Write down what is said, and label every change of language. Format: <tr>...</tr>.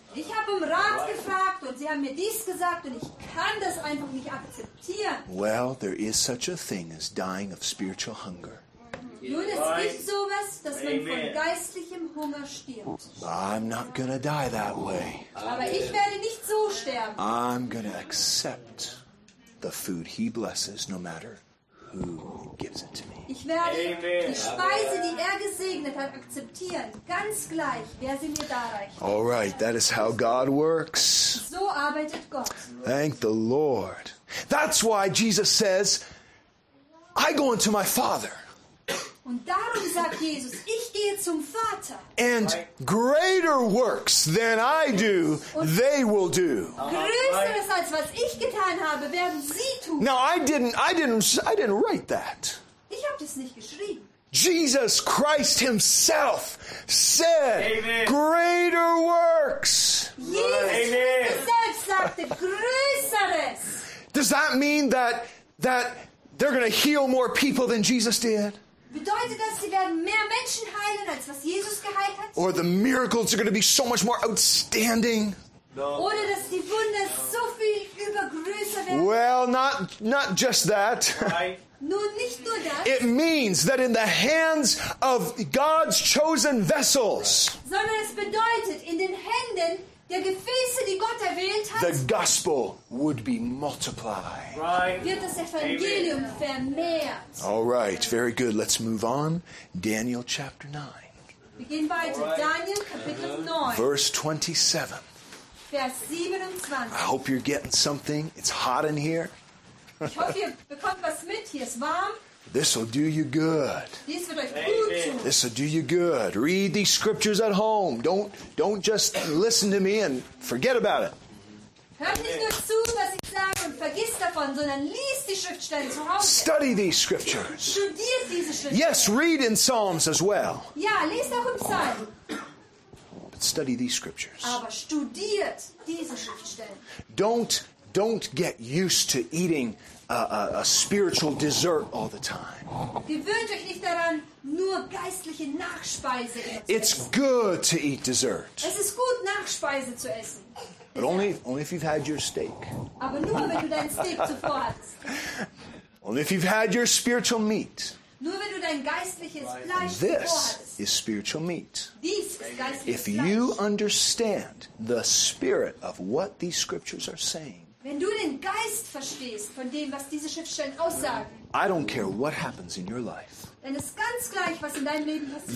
<de>Ich habe Rat gefragt und sie haben mir dies gesagt und ich kann das einfach nicht akzeptieren.</de> <en>Well, there is such a thing as dying of spiritual hunger.</en> <de>Nun, es gibt sowas, dass man von geistlichem Hunger stirbt.</de> <en>I'm not going to die that way.</en> <de>Aber ich werde nicht so sterben.</de> <en>I'm going to accept the food he blesses, no matter who gives it to me.</en> <de>Ich werde die Speise, die gesegnet hat, akzeptieren, ganz gleich, wer sie mir darreicht.</de> <en>All right, that is how God works.</en> <de>So arbeitet Gott.</de> <en>Thank the Lord. That's why Jesus says, I go into my Father.</en> <de>Und darum sagt Jesus, ich gehe zum Vater.</de> <en>And greater works than I do, they will do.</en> <de>Größeres als was ich getan habe, werden sie tun.</de> <en>Now I didn't write that.</en> <de>Ich habe das nicht geschrieben.</de> <en>Jesus Christ himself said, Amen. Greater works. Jesus himself</en> <de>sagte, größeres.</de> <en>Does that mean that they're going to heal more people than Jesus did?</en> <de>Bedeutet, dass sie werden mehr Menschen heilen, als was Jesus geheilt hat?</de> <en>Or the miracles are going to be so much more outstanding? No.</en> <de>Oder dass die Wunder so viel übergrößer werden?</de> <en>Well, not just that.</en> <de>Nun nicht nur das.</de> <en>It means that in the hands of God's chosen vessels,</en> <de>sondern es bedeutet, in den Händen der Gefäße, die Gott erwählt hat,</de> <en>the gospel would be multiplied. Right.</en> <de>Wird das Evangelium Amen. Vermehrt.</de> <en>All right, very good. Let's move on. Daniel chapter 9.</en> <de>Begin weiter.</de> <en>Right.</en> <de>Daniel Kapitel 9.</de> <en>Verse 27.</en> <de>Vers 27.</de> <en>I hope you're getting something. It's hot in here.</en> <de>Ich hoffe, ihr bekommt was mit. Hier ist warm.</de> <en>This will do you good.</en> <de>Dies wird euch gut tun.</de> <en>This will do you good. Read these scriptures at home. Don't just listen to me and forget about it.</en> <de>Hört nicht nur zu, was ich sage und vergiss davon, sondern liest die Schriftstellen zu Hause.</de> <en>Study these scriptures.</en> <de>Studiert diese Schriftstellen.</de> <en>Yes, read in Psalms as well.</en> <de>Ja, lest auch im Psalm.</de> <en>But study these scriptures.</en> <de>Aber studiert diese Schriftstellen.</de> <en>Don't get used to eating a spiritual dessert all the time.</en> <de>Gewöhnt euch nicht daran, nur geistliche Nachspeise zu essen.</de> <en>It's good to eat dessert.</en> <de>Es ist gut, Nachspeise zu essen.</de> <en>But only if you've had your steak.</en> <de>Aber nur, wenn du dein Steak zuvor hast.</de> <en>Only if you've had your spiritual meat.</en> <de>Nur, wenn du dein geistliches Fleisch zuvor</de> <en>this</en> <de>hast.</de> <en>Is spiritual meat.</en> <de>Dies ist geistliches Fleisch.</de> <en>If you understand the spirit of what these scriptures are saying,</en> <de>wenn du den Geist verstehst von dem, was diese Schriftstellen aussagen,</de> <en>I don't care what happens in your life.</en> <de>Dann ist ganz gleich, was in deinem Leben passiert.</de>